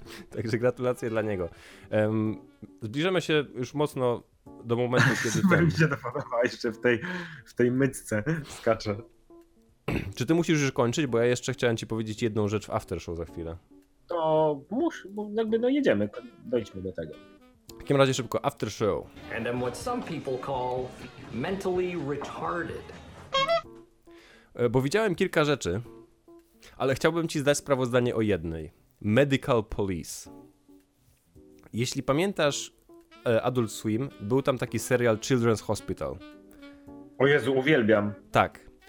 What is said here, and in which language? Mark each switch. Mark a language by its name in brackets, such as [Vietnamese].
[Polish] Także gratulacje dla niego. Zbliżamy się już mocno do momentu, kiedy... Super mi się to podoba, jeszcze w tej myczce skacze. Czy ty musisz już kończyć, bo ja jeszcze chciałem ci powiedzieć jedną rzecz w aftershow za chwilę. To musisz, bo jakby no jedziemy, dojdźmy do tego. W takim razie szybko, aftershow. [English] And I'm what some people call mentally retarded. [Polish] Bo widziałem kilka rzeczy, ale chciałbym ci zdać sprawozdanie o jednej. Medical Police. Jeśli pamiętasz Adult Swim, był tam taki serial Children's Hospital. O Jezu, uwielbiam. Tak.